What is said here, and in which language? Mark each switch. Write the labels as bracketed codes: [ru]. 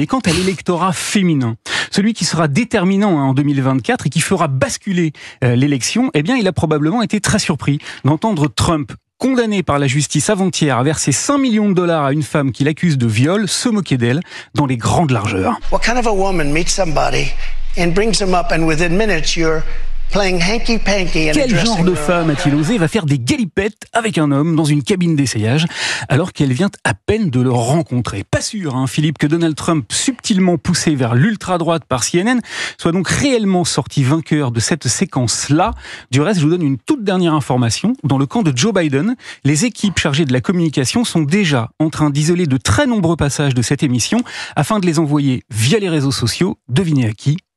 [fr] Et quant à l'électorat féminin, celui qui sera déterminant en 2024 et qui fera basculer l'élection, eh bien, il a probablement été très surpris d'entendre Trump, condamné par la justice avant-hier à verser 5 millions de dollars à une femme qu'il accuse de viol, se moquer d'elle dans les grandes largeurs. [en] What kind of a woman meets somebody and brings them up and within minutes you're playing hanky-panky and [fr] quel genre de femme a-t-il osé va faire des galipettes avec un homme dans une cabine d'essayage alors qu'elle vient à peine de le rencontrer? Pas sûr, hein, Philippe, que Donald Trump, subtilement poussé vers l'ultra-droite par CNN, soit donc réellement sorti vainqueur de cette séquence-là. Du reste, je vous donne une toute dernière information. Dans le camp de Joe Biden, les équipes chargées de la communication sont déjà en train d'isoler de très nombreux passages de cette émission afin de les envoyer via les réseaux sociaux, devinez à qui?